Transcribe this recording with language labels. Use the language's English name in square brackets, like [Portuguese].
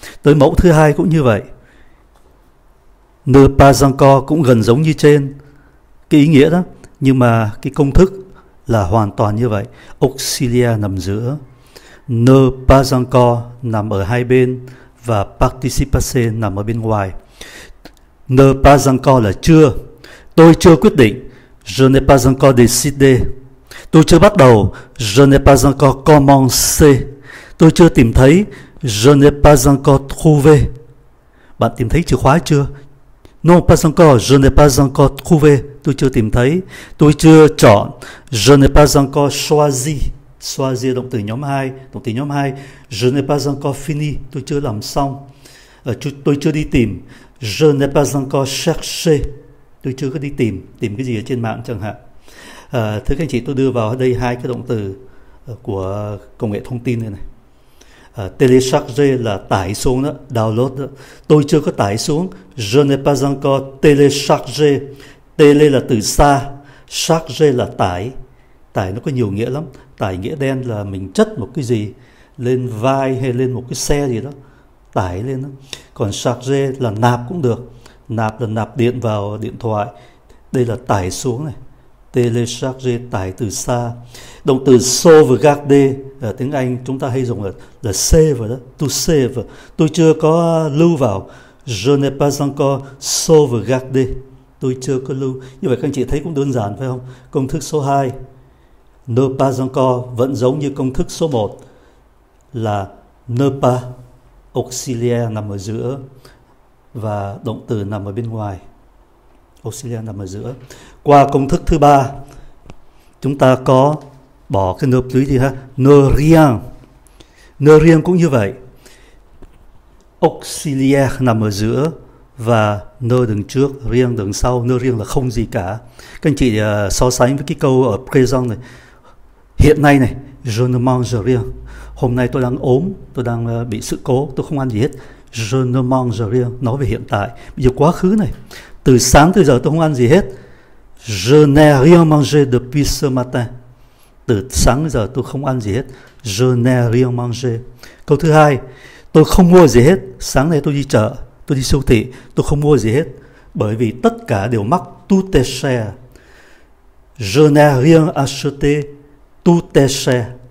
[Vietnamese] Tới mẫu thứ hai cũng như vậy. Ne pas encore cũng gần giống như trên. Cái ý nghĩa đó, nhưng mà cái công thức là hoàn toàn như vậy. Auxiliaire nằm giữa. Ne pas encore nằm ở hai bên. Và participase nằm ở bên ngoài. Ne pas encore là chưa. Tôi chưa quyết định. [French] Je n'ai pas encore décidé. [Vietnamese] Tôi chưa bắt đầu. [French] Je n'ai pas encore commencé. [Vietnamese] Tôi chưa tìm thấy. [French] Je n'ai pas encore trouvé. [Vietnamese] Bạn tìm thấy chìa khóa chưa? [French] Non, pas encore. Je n'ai pas encore trouvé. [Vietnamese] Tôi chưa tìm thấy. Tôi chưa chọn. [French] Je n'ai pas encore choisi. [Vietnamese] Choisi động từ nhóm 2. Động từ nhóm 2. [French] Je n'ai pas encore fini. [Vietnamese] Tôi chưa làm xong. Tôi chưa đi tìm. [French] Je n'ai pas encore cherché. [Vietnamese] Tôi chưa có đi tìm. Tìm cái gì ở trên mạng chẳng hạn. Thưa các anh chị, tôi đưa vào đây hai cái động từ của công nghệ thông tin này. Télécharger là tải xuống đó, download đó. Tôi chưa có tải xuống. [French] Je n'ai pas encore téléchargé. [Vietnamese] Télé là từ xa, charger là tải. Tải nó có nhiều nghĩa lắm. Tải nghĩa đen là mình chất một cái gì lên vai hay lên một cái xe gì đó, tải lên đó. Còn charger là nạp cũng được. Nạp là nạp điện vào điện thoại. Đây là tải xuống này. Télécharger, tải từ xa. Động từ sauvegarder ở tiếng Anh chúng ta hay dùng là save đó. To save. Tôi chưa có lưu vào. [French] Je n'ai pas encore sauvegardé. [Vietnamese] Tôi chưa có lưu. Như vậy các anh chị thấy cũng đơn giản phải không? Công thức số 2. Ne pas encore vẫn giống như công thức số 1. Là ne pas. Auxiliaire nằm ở giữa. Và động từ nằm ở bên ngoài. Auxiliaire nằm ở giữa. Qua công thức thứ 3, chúng ta có bỏ cái ne plus đi ha. Ne rien. Ne rien cũng như vậy. Auxiliaire nằm ở giữa và ne đứng trước, rien đứng sau. Ne rien là không gì cả. Các anh chị so sánh với cái câu ở present này. Hiện nay này, [French] je ne mange rien. [Vietnamese] Hôm nay tôi đang ốm, tôi đang bị sự cố, tôi không ăn gì hết. [French] Je ne mange rien, [Vietnamese] nói về hiện tại. Bây giờ quá khứ này, từ sáng tới giờ tôi không ăn gì hết. [French] Je n'ai rien mangé depuis ce matin. [Vietnamese] Từ sáng giờ tôi không ăn gì hết. [French] Je n'ai rien mangé. [Vietnamese] Câu thứ hai, tôi không mua gì hết. Sáng nay tôi đi chợ, tôi đi siêu thị, tôi không mua gì hết. Bởi vì tất cả đều mắc. [French] Tout est cher. Je n'ai rien acheté. Tout est cher.